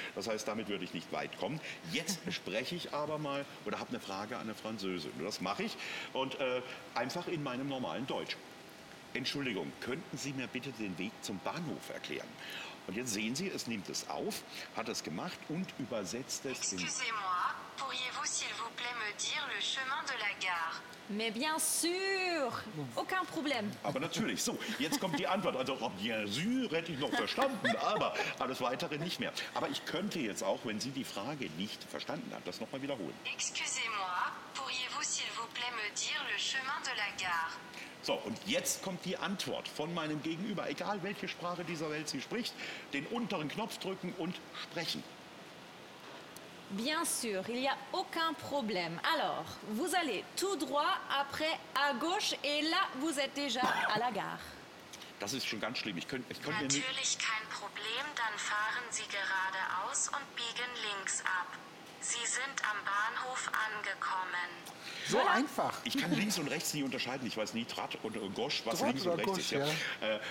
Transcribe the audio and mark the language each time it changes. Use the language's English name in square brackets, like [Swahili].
[German] Das heißt, damit würde ich nicht weit kommen. Jetzt spreche ich aber mal oder habe eine Frage an eine Französin. Das mache ich. Und einfach in meinem normalen Deutsch. Entschuldigung, könnten Sie mir bitte den Weg zum Bahnhof erklären? Und jetzt sehen Sie, es nimmt es auf, hat es gemacht und übersetzt es in... [French] Pourriez-vous, s'il vous plaît, me dire le chemin de la gare? Mais bien sûr, aucun problème. [German] Aber natürlich, so, jetzt kommt die Antwort. Also, [French] bien sûr, [German] hätte ich noch verstanden, aber alles Weitere nicht mehr. Aber ich könnte jetzt auch, wenn Sie die Frage nicht verstanden haben, das nochmal wiederholen. [French] Excusez-moi, pourriez-vous, s'il vous plaît, me dire le chemin de la gare? [German] So, und jetzt kommt die Antwort von meinem Gegenüber, egal welche Sprache dieser Welt sie spricht, den unteren Knopf drücken und sprechen. [French] Bien sûr, il n'y a aucun problème. Alors, vous allez tout droit, après à gauche, et là, vous êtes déjà à la gare. [German] Das ist schon ganz schlimm. Natürlich kein Problem, dann fahren Sie geradeaus und biegen links ab. Sie sind am Bahnhof angekommen. So einfach. Ich kann links und rechts nicht unterscheiden. Ich weiß nie, Trat und Gosch, was Trott links und rechts Gosch, ist. Ja.